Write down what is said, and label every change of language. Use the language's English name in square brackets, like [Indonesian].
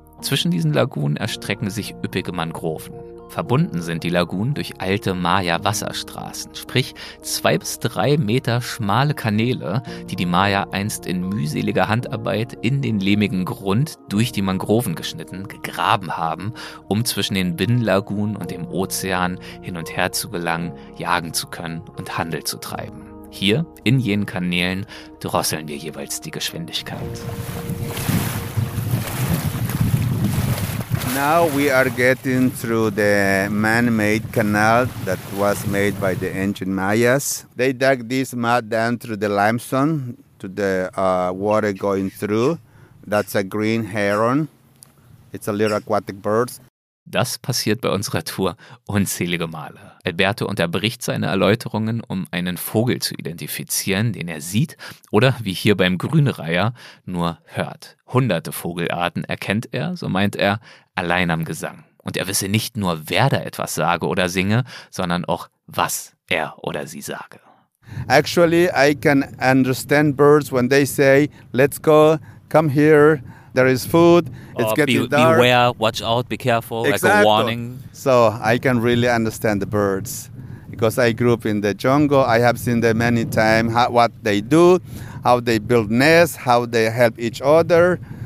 [German] Zwischen diesen Lagunen erstrecken sich üppige Mangroven. Verbunden sind die Lagunen durch alte Maya-Wasserstraßen, sprich 2 bis 3 Meter schmale Kanäle, die die Maya einst in mühseliger Handarbeit in den lehmigen Grund durch die Mangroven geschnitten, gegraben haben, um zwischen den Binnenlagunen und dem Ozean hin und her zu gelangen, jagen zu können und Handel zu treiben. Hier, in jenen Kanälen, drosseln wir jeweils die Geschwindigkeit. [English] Now we are getting through the man-made canal that was made by the ancient Mayas. They dug this mud down through the limestone to the water going through. That's a green heron. It's a little aquatic bird. [German] Das passiert bei unserer Tour unzählige Male. Alberto unterbricht seine Erläuterungen, um einen Vogel zu identifizieren, den er sieht oder, wie hier beim Grünreiher, nur hört. Hunderte Vogelarten erkennt er, so meint er, allein am Gesang. Und er wisse nicht nur, wer da etwas sage oder singe, sondern auch, was er oder sie sage. [English] Actually, I can understand birds when they say, let's go, come here. There is food, it's getting dark. Beware, watch out, be careful, exactly. Like a warning. So I can really understand the birds. Because I grew up in the jungle, I have seen them many times, what they do, how they build nests, how they help each other.